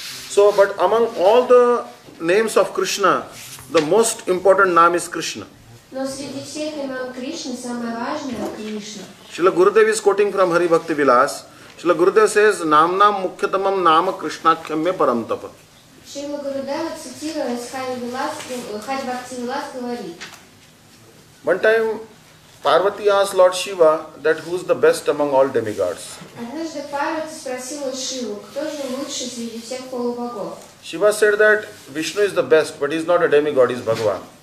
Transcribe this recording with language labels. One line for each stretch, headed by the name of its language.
English: So, but among all the names of Krishna, the most important name is Krishna.
Russian: Но среди всех имен Кришны самое важное – Кришна.
English: Шрила Гурудев is quoting from Hari Bhakti Vilas. Шрила Гурудев says,
Sanskrit: «Намнам мукхятамам нама Кришнакхямме парамтапа».
Russian: Шрила Гурудева, цитируя Хари Бхакти Вилас, говорит.
English: One time, Парвати asked Lord Shiva that who is the best among all demigods.
Russian: Однажды Парвати спросила Шиву, кто же лучший среди всех полубогов.
English: Shiva said that Vishnu is the best, but he is not a demigod, he is Bhagavan.